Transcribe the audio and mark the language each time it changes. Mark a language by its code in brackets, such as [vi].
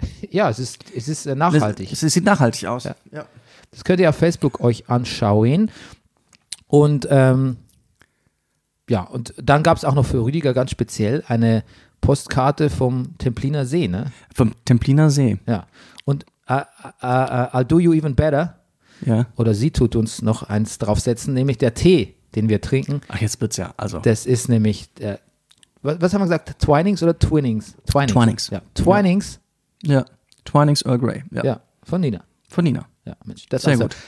[de] Ja, es ist nachhaltig. Es sieht nachhaltig aus. Ja. Ja. Das könnt ihr auf Facebook euch anschauen. Und und dann gab es auch noch für Rüdiger ganz speziell eine Postkarte vom Templiner See, ne? Vom Templiner See. Ja. [en] Und I'll do you even better. [de] Ja. Oder sie tut uns noch eins draufsetzen, nämlich der Tee, den wir trinken. Ach, jetzt wird's ja. Also. Das ist nämlich der. Was haben wir gesagt? Twinings oder Twinings? Twinings. Ja. Twinings. Ja. Twinings Earl Grey. Ja. Ja. Von Nina. Von Nina. Ja, Mensch, das sehr gut.